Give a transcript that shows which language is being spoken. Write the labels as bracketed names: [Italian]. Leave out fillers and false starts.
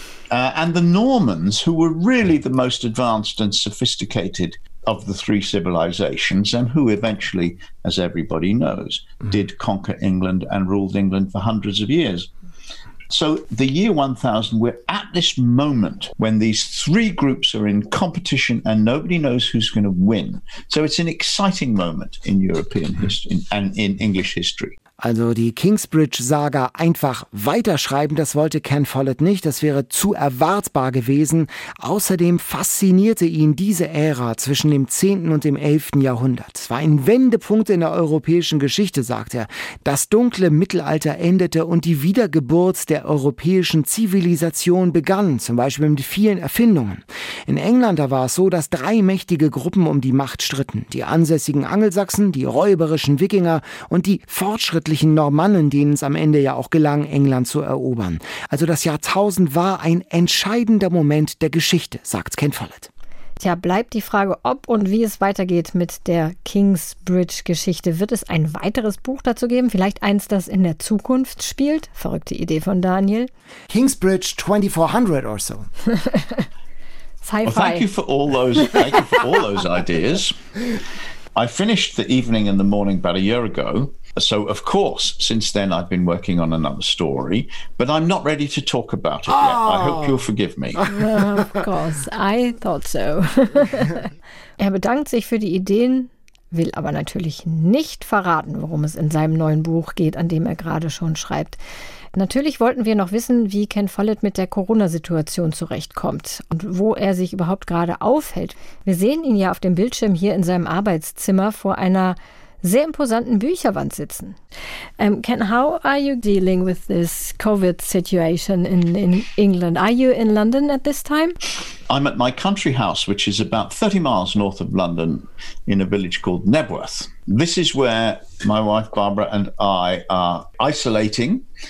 [English] And the Normans, who were really the most advanced and sophisticated of the three civilizations, and who eventually, as everybody knows, did conquer England and ruled England for hundreds of years. So the year 1000, we're at this moment when these three groups are in competition and nobody knows who's going to win. So it's an exciting moment in European history and in English history. [German] Also die Kingsbridge-Saga einfach weiterschreiben, das wollte Ken Follett nicht, das wäre zu erwartbar gewesen. Außerdem faszinierte ihn diese Ära zwischen dem 10. und dem 11. Jahrhundert. Es war ein Wendepunkt in der europäischen Geschichte, sagt er. Das dunkle Mittelalter endete und die Wiedergeburt der europäischen Zivilisation begann, zum Beispiel mit vielen Erfindungen. In England, da war es so, dass drei mächtige Gruppen um die Macht stritten. Die ansässigen Angelsachsen, die räuberischen Wikinger und die fortschrittlichen Normannen, denen es am Ende ja auch gelang, England zu erobern. Also das Jahrtausend war ein entscheidender Moment der Geschichte, sagt Ken Follett. Tja, bleibt die Frage, ob und wie es weitergeht mit der Kingsbridge-Geschichte. Wird es ein weiteres Buch dazu geben? Vielleicht eins, das in der Zukunft spielt? Verrückte Idee von Daniel. [English] Kingsbridge 2400 or so. Sci-fi. Well, thank you for all those ideas. I finished The Evening and the Morning about a year ago. So, of course, since then, I've been working on another story, but I'm not ready to talk about it yet. I hope you'll forgive me. Of course, I thought so. [German] Er bedankt sich für die Ideen, will aber natürlich nicht verraten, worum es in seinem neuen Buch geht, an dem er gerade schon schreibt. Natürlich wollten wir noch wissen, wie Ken Follett mit der Corona-Situation zurechtkommt und wo er sich überhaupt gerade aufhält. Wir sehen ihn ja auf dem Bildschirm hier in seinem Arbeitszimmer vor einer sehr imposanten Bücherwand sitzen. [English] Ken, how are you dealing with this COVID situation in England? Are you in London at this time? I'm at my country house, which is about 30 miles north of London in a village called Nebworth. This is where my wife Barbara and I are isolating.